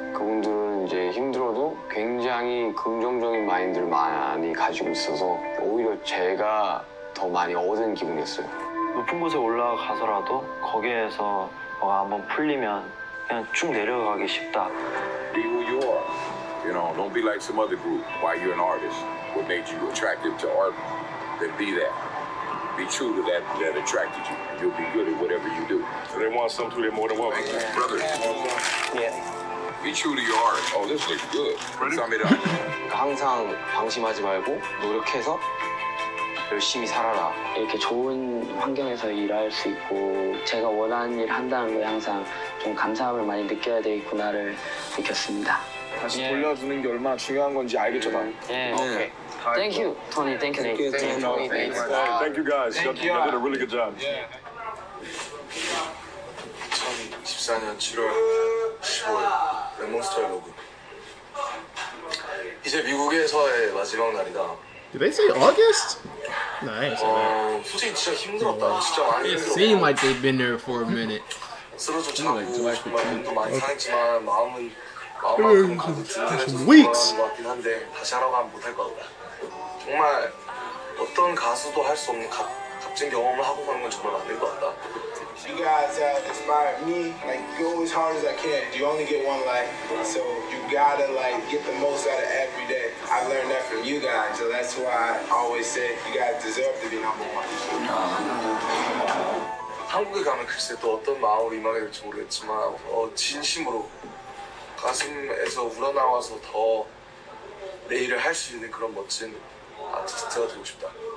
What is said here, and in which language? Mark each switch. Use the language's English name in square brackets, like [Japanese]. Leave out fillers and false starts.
[Korean] 그분들은 이제 힘들어도 굉장히 긍정적인 마인드를 많이 가지고 있어서 오히려 제가 더 많이 얻은 기분이었어요. 높은 곳에 올라가서라도 거기에서 뭐가 한번 풀리면 그냥 쭉 내려가기 쉽다. [English] Be who you are. You know, don't be like some other group. Why you're an artist? What made you attractive to art? Then be that. Be true to that that attracted you. You'll be good at whatever you do. So they want something to, they're more than welcome. Yeah. Brother. Yeah. Be true to your art. Oh, this looks good. Ready? [Korean] 항상 방심하지 말고 노력해서 열심히 살아라. 이렇게 좋은 환경에서 일할 수 있고 제가 원하는 일 한다는 거 항상 좀 감사함을 많이 느껴야 되겠구나를 느꼈습니다. 다시 yeah. 돌려주는 게 얼마나 중요한 건지 알겠죠, 난? [English] Yeah. Yeah. Okay. Thank you, Tony. Thank you, Nate. Thank you, guys. Thank you. Y'all did a really good job. Yeah. [Korean] 2014년 7월 15일 레몬스터의 로그. 이제 미국에서의 마지막 날이다. [English] Did they say August? Nice. [Korean] 솔직히 진짜 힘들었다. 진짜 많이 힘들었다. [English] It seemed like they've been there for a minute. [Korean] 쓰러져 자고 싶은 마음도 많이 상했지만 마음만큼 가득 든 weeks. 한데 다시 하라고 하면 못할 것 같다. 정말 어떤 가수도 할 수 없는 값진 경험을 하고 가는 건 정말 맞는 것 같다. [English] You guys have inspired me. Like, go as hard as I can. You only get one life. So you gotta, like, get the most out of every day. I learned that from you guys. So that's why I always say you guys deserve to be number one. [Korean] 한국에 가면 글쎄 또 어떤 마음으로 임하게 될지 모르겠지만 진심으로 가슴에서 우러나와서 더 내 일을 할 수 있는 그런 멋진 아티스트가 되고 싶다.